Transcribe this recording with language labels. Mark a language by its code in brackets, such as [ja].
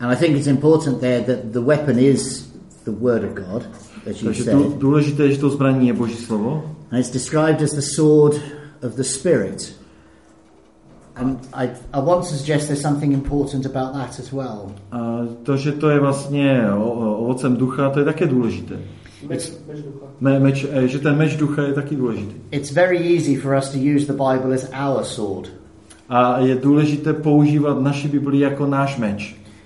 [en] And I think it's important there that the weapon is the word of God. [cs] Důležité je, že to zbraní je Boží slovo. [en] And it's described as the sword of the Spirit. And I want to suggest there's something important about that as well. [cs] A to, že to je vlastně ovocem ducha, to je také důležité. Meč ducha. Že ten meč ducha je taky důležitý. [en] It's very easy for us to use the Bible as our sword. [cs] A je důležité používat naši Bibli jako náš meč.